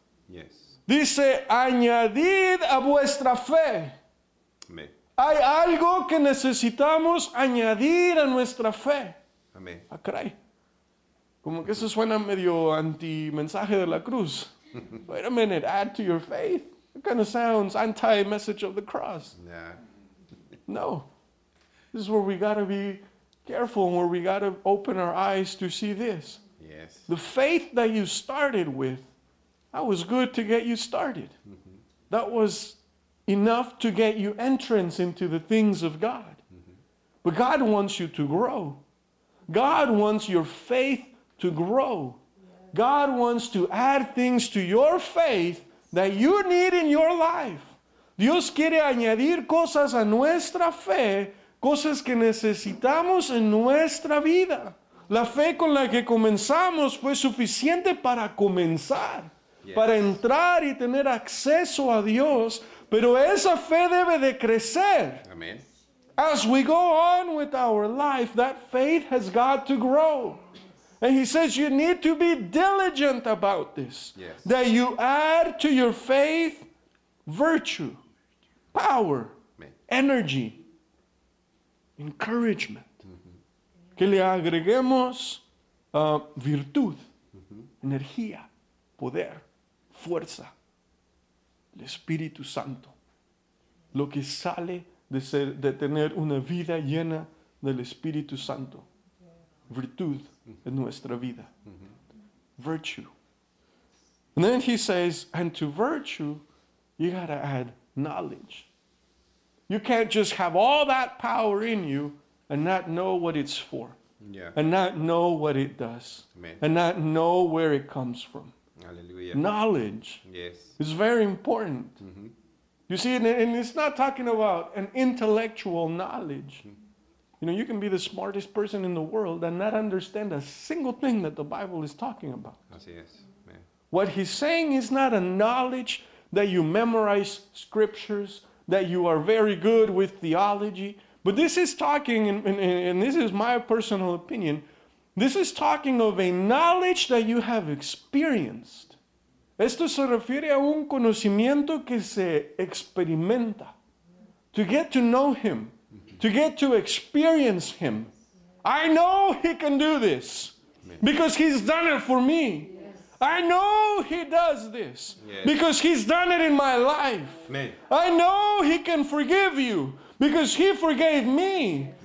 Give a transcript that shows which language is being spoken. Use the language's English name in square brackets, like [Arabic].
[English] Yes. [Spanish] Dice, añadid a vuestra fe. [English] Amen. [Spanish] Hay algo que necesitamos añadir a nuestra fe. [English] Amen. [Spanish] A Cristo. Como que eso suena medio anti-mensaje de la cruz. [English] Wait a minute, add to your faith. It kind of sounds anti-message of the cross. Nah. No. This is where we got to be careful and where we got to open our eyes to see this. Yes. The faith that you started with, that was good to get you started. Mm-hmm. That was enough to get you entrance into the things of God. Mm-hmm. But God wants you to grow. God wants your faith to grow. God wants to add things to your faith that you need in your life. [Spanish] Dios quiere añadir cosas a nuestra fe, cosas que necesitamos en nuestra vida. La fe con la que comenzamos fue suficiente para comenzar, para entrar y tener acceso a Dios, pero esa fe debe de crecer. [English] Amen. As we go on with our life, that faith has got to grow. And he says you need to be diligent about this. Yes. That you add to your faith virtue, power, energy, encouragement. Mm-hmm. [Spanish] Que le agreguemos virtud, energía, poder, fuerza, el Espíritu Santo. Lo que sale de tener una vida llena del Espíritu Santo. Virtud en nuestra vida. Mm-hmm. Virtue. [English] And then he says, and to virtue, you gotta add knowledge. You can't just have all that power in you and not know what it's for. Yeah. And not know what it does. Amen. And not know where it comes from. Hallelujah. Knowledge. Yes. Is very important. Mm-hmm. You see, and it's not talking about an intellectual knowledge. Mm-hmm. You know, you can be the smartest person in the world and not understand a single thing that the Bible is talking about. [Spanish] Así es. [English] What he's saying is not a knowledge that you memorize scriptures, that you are very good with theology. But this is talking, and this is my personal opinion, this is talking of a knowledge that you have experienced. [Spanish] Esto se refiere a un conocimiento que se experimenta. [English] To get to know him, to get to experience him. I know he can do this because he's done it for me. I know he does this because he's done it in my life. I know he can forgive you because he forgave me.